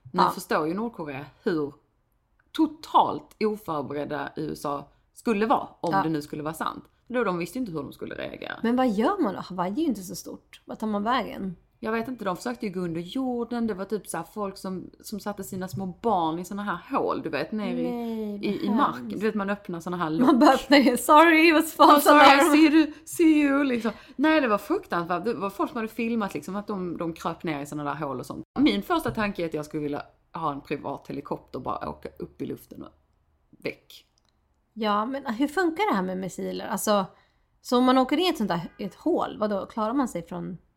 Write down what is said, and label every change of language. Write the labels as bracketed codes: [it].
[sv] Nu förstår ju Nordkorea hur totalt oförberedda USA skulle vara om det nu skulle vara sant. De visste inte hur de skulle reagera. Men vad gör man då? Hawaii är ju inte så stort. Vad tar man vägen? Jag vet inte, de försökte ju gå under jorden. Det var typ så här folk som satte sina små barn i såna här hål, du vet, nere i marken. Du vet, man öppnar såna här lock. Man bara öppnar, [en] sorry, it was false alarm. Sorry, see you, liksom. [sv] Nej, det var fruktansvärt. Det var folk som hade filmat liksom, att de kröp ner i såna där hål och sånt. Min första tanke är att jag skulle vilja ha en privat helikopter och bara åka upp i luften och väck. Ja, men hur funkar det här med missiler? Alltså, så om man åker ner i ett sånt där ett hål, vad då klarar man sig från...